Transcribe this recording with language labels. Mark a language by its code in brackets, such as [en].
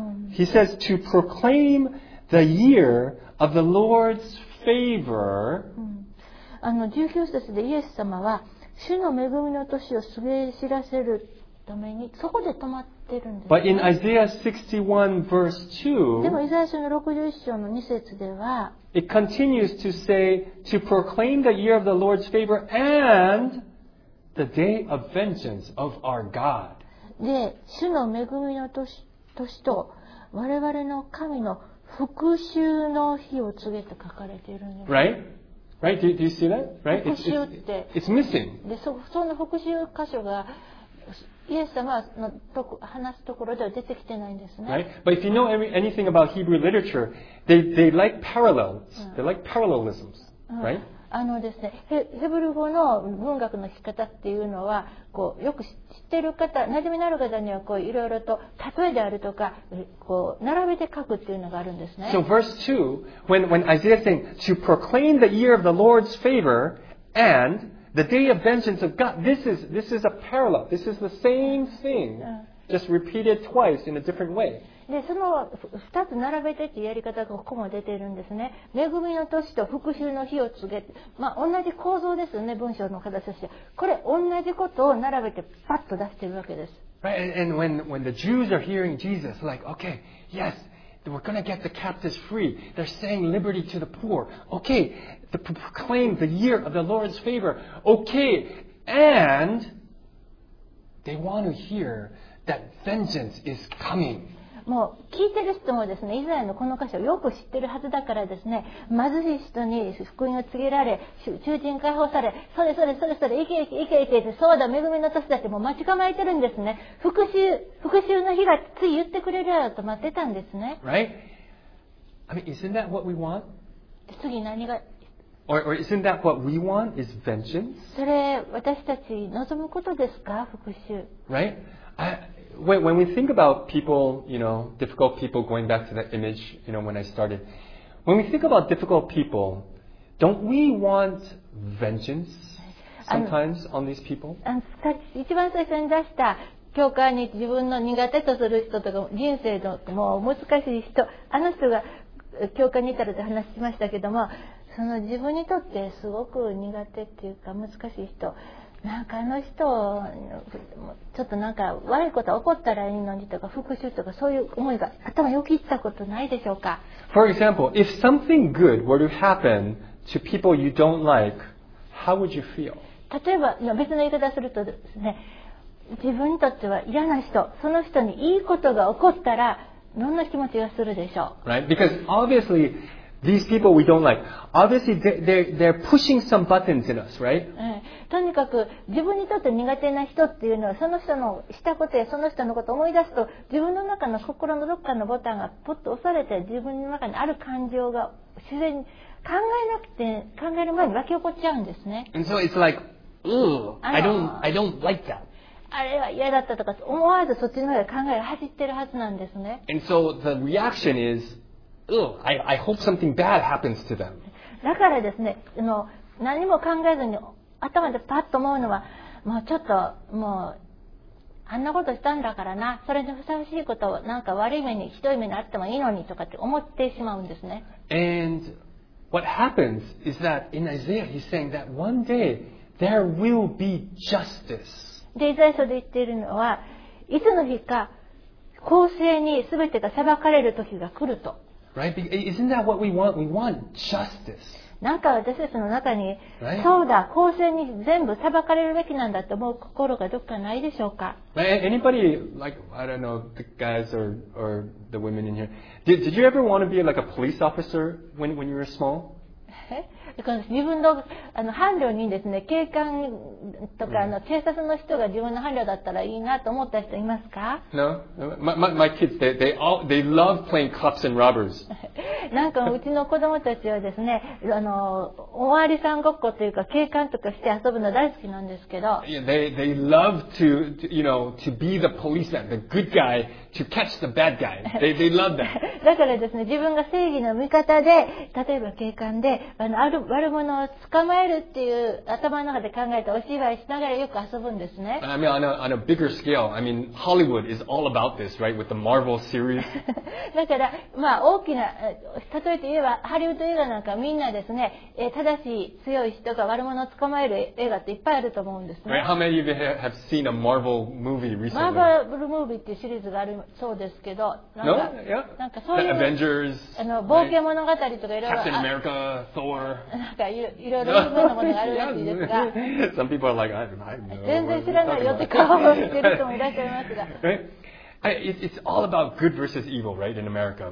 [en] He says to proclaim the year of the Lord's favor [ja] あの19節でイエス様は主の恵みの年を告げ知らせるためにそこで止まってるんです、ね、 [en] But in Isaiah 61 verse 2 [ja] でもイザヤ書の61章の2節では [en] It continues to say to proclaim the year of the Lord's favor and the day of vengeance of our God [ja] で主の恵みの 年と我々の神の復讐の日を告げと書かれているんです [en] Right? Right? Do you see that? Right? It's missing. [ja] で、その復讐箇所がイエス様のと話すところでは出てきてないんですね。 [en] Right? But if you know anything about Hebrew literature, they like parallels. They like parallelisms. Right? [ja] あのですね、ヘブル語の文学の聞き方っていうのは、こうよく知ってる方、馴染みのある方にはこういろいろと例えであるとか、こう並べて書くっていうのがあるんですね。 [en] So verse 2, when Isaiah is saying to proclaim the year of the Lord's favor and the day of vengeance of God, this is a parallel. This is the same thing, just repeated twice in a different way. [ja] でその2つ並べてというやり方がここも出ているんですね恵みの年と復讐の日を告げ、まあ、同じ構造ですよね文章の形としてこれ同じことを並べてパッと出しているわけです [en] Right, and when the Jews are hearing Jesus like, okay, yes, we're going to get the captives free they're saying liberty to the poor okay, the proclaim the year of the Lord's favor okay, and they want to hear that vengeance is coming [ja] もう聞いてる人もですね、イザヤのこの箇所をよく知ってるはずだからですね、貧しい人に福音を告げられ、囚人解放され、それそれそれそれ、行け行け行け行けって、そうだ、恵みの年だって、もう待ち構えてるんですね。復讐の日がつい言ってくれるよと待ってたんですね。 [en] Right? I mean, isn't that what we want? [ja] 次何が [en] Or isn't that what we want is vengeance? [ja] それ私たち望むことですか、復讐。 [en] Right? When we think about people, you know, difficult people, going back to the image, you know, when I started, when we think about difficult people, don't we want vengeance sometimes on these people? [ja] And 一番最初に出した教会に自分の苦手とする人とか人生のもう難しい人、あの人が教会にいたらと話しましたけども、その自分にとってすごく苦手っていうか難しい人。なんかあの人ちょっとなんか悪いことが起こったらいいのにとか復讐とかそういう思いが頭よぎったことないでしょうか [en] For example, if something good were to happen to people you don't like, how would you feel? [ja] 例えば別の言い方するとですね自分にとっては嫌な人その人にいいことが起こったらどんな気持ちがするでしょう [en] Right? Because obviously these people we don't like, obviously they're pushing some buttons in us, right? [ja] とにかく自分にとって苦手な人っていうのはその人のしたことやその人のことを思い出すと自分の中の心のどっかのボタンがポッと押されて自分の中にある感情が自然に考えなくて考える前に湧き起こっちゃうんですね。 [en] And so it's like, ooh, I don't like that. [ja] あれは嫌だったとか思わずそっちの方が考えが走ってるはずなんですね。 [en] And so the reaction is, ooh, I hope something bad happens to them. [ja] だからですね、何も考えずに頭でパッと思うのはもうちょっともうあんなことしたんだからなそれにふさわしいことをなんか悪い目にひどい目にあってもいいのにとかって思ってしまうんですね [en] And what happens is that in Isaiah he's saying that one day there will be justice [ja] でイザヤ書で言っているのはいつの日か公正に全てが裁かれる時が来ると [en] Right? Isn't that what we want? We want justice. [ja] なんか私たちの中に、right? そうだ公正に全部裁かれるべきなんだと思う心がどっかないでしょうか [en] Anybody like I don't know the guys or the women in here did you ever want to be like a police officer when you were small? [ja] 自分の伴侶にですね警官とか、mm-hmm. 警察の人が自分の伴侶だったらいいなと思った人いますか [en] No my kids they love playing cops and robbers [ja] なんかうちの子供たちはですね、おわりさんごっこというか警官とかして遊ぶの大好きなんですけど。 [en] Yeah, they love to, you know, to be the policeman, the good guy, to catch the bad guy. They love that. [ja] だからですね、自分が正義の味方で、例えば警官で、悪悪者を捕まえるっていう頭の中で考えたお芝居しながらよく遊ぶんですね。 [en] I mean, on a bigger scale, I mean, Hollywood is all about this, right? With the Marvel series. [ja] だから、まあ大きな、例えて言えば、ハリウッド映画なんかみんなですね、正しい強い人が悪者を捕まえる映画っていっぱいあると思うんですね。 [en] Right, how many of you have seen a Marvel movie recently? [ja] マーベルムービーっていうシリーズがあるそうですけど、 [en] No? Yeah. [ja] なんかそういう、 [en] The Avengers, [ja] 冒険物語とかいろいろ。 [en] Captain America, Thor. [ja] なんかいろいろなものがあるらしいですが。 [en] Some people are like, I don't know. [ja] 全然知らないよって顔をしてる人もいらっしゃいますが。 [en] It's all about good versus evil, right, in America.